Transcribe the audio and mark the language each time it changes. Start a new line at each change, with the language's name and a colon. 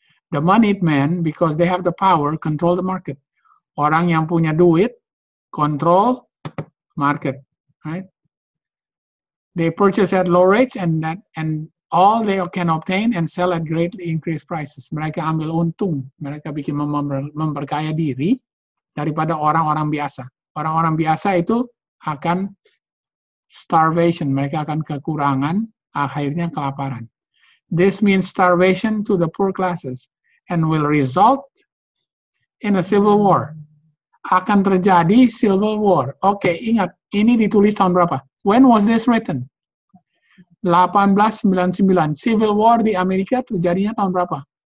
English: The moneyed men, because they have the power, control the market.
Indonesian: Orang yang punya duit, control market.
English: Right? They purchase at low rates and all they can obtain and sell at greatly increased prices.
Indonesian: Mereka ambil untung. Mereka bikin memperkaya diri daripada orang-orang biasa. Orang-orang biasa itu akan starvation. Mereka akan kekurangan, akhirnya kelaparan.
English: This means starvation to the poor classes and will result in a civil war.
Indonesian: Akan terjadi civil war. Okay, ingat, ini ditulis tahun berapa?
English: When was this written?
Indonesian: 1899. Civil War di Amerika terjadinya tahun berapa?